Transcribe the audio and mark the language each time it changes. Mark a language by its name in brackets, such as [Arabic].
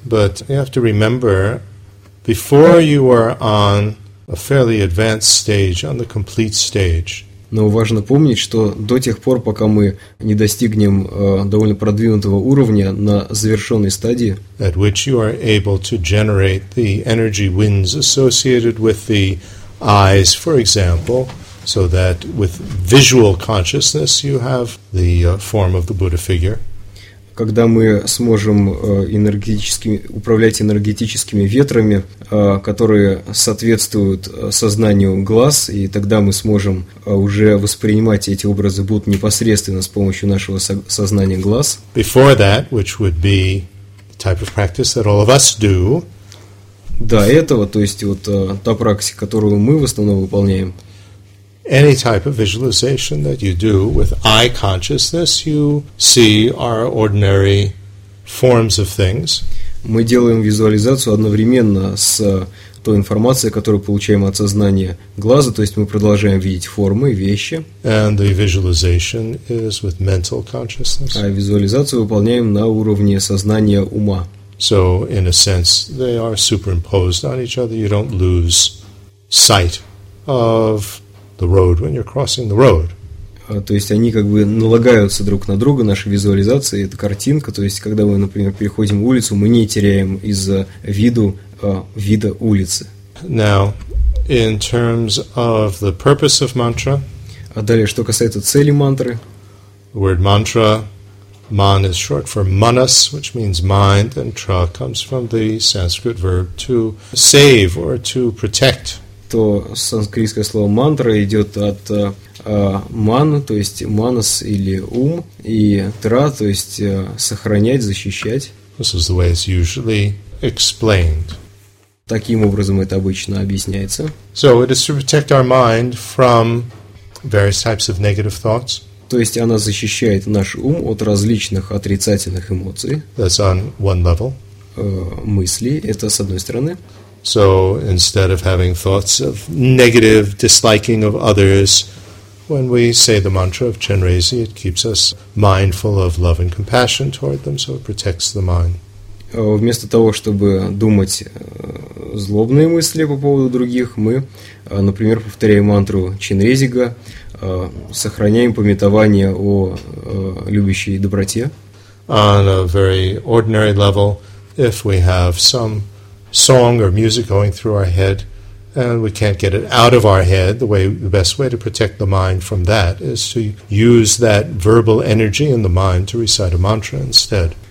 [English] But you have to remember, before you are on a fairly advanced stage, on the complete stage. [Russian] Но важно помнить, что до тех пор, пока мы не достигнем довольно продвинутого уровня на завершенной стадии, [English] at which you are able to generate the energy winds associated with the eyes, for example, so that with visual consciousness you have the form of the Buddha figure. [Russian] Когда мы сможем управлять энергетическими ветрами, которые соответствуют сознанию глаз, и тогда мы сможем уже воспринимать эти образы Будды непосредственно с помощью нашего сознания глаз. [English] Before that, which would be the type of practice that all of us do. [Russian] До этого, то есть вот та практика, которую мы в основном выполняем. [English] Any type of visualization that you do with eye consciousness, you see our ordinary forms of things. [Russian] Мы делаем визуализацию одновременно с той информацией, которую получаем от сознания глаза, то есть мы продолжаем видеть формы, вещи. [English] And the visualization is with mental consciousness. [Russian] А визуализацию выполняем на уровне сознания ума. [English] So, in a sense, they are superimposed on each other. You don't lose sight of the road when you're crossing the road. [Russian] То есть они как бы налагаются друг на друга, наши визуализации, это картинка, то есть когда мы, например, переходим улицу, мы не теряем из-за виду вида улицы. [English] Now, in terms of the purpose of mantra, [Russian] а далее, что касается цели мантры, [English] the word mantra, man is short for manas, which means mind, and tra comes from the Sanskrit verb to save or to protect. [Russian] То санскритское слово мантра идет от ман, то есть манас или ум, и тра, то есть сохранять, защищать. [English] This is the way it's usually explained. [Russian] Таким образом это обычно объясняется. [English] So it is to protect our mind from various types of negative thoughts. [Russian] То есть она защищает наш ум от различных отрицательных эмоций. [English] That's on one level. [Russian] Мысли, это с одной стороны. [English] So instead of having thoughts of negative disliking of others, When we say the mantra of Chenrezi, it keeps us mindful of love and compassion toward them, so it protects the mind. [Russian] Вместо того, чтобы думать злобные мысли по поводу других, мы, например, повторяем мантру Чинрезига, сохраняем памятование о любящей доброте. [English] On a very ordinary level, if we have some song or music going through our head, and we can't get it out of our head, the best way to protect the mind from that is to use that verbal energy in the mind to recite a mantra instead.